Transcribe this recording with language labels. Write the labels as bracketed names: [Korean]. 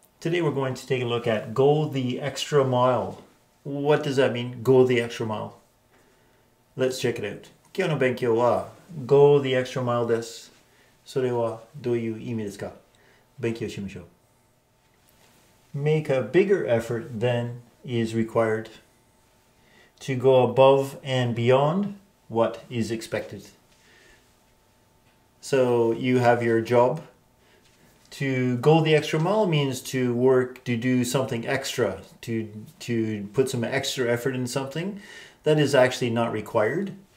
[English] Today we're going to take a look at go the extra mile. What does that mean, go the extra mile? Let's check it out. [Japanese] 今日の勉強は go the extra mile です。それはどういう意味ですか？勉強しましょう。 [English] Make a bigger effort than is required to go above and beyond what is expected. So you have your job. To go the extra mile means to work, to do something extra, to put some extra effort in something that is actually not required.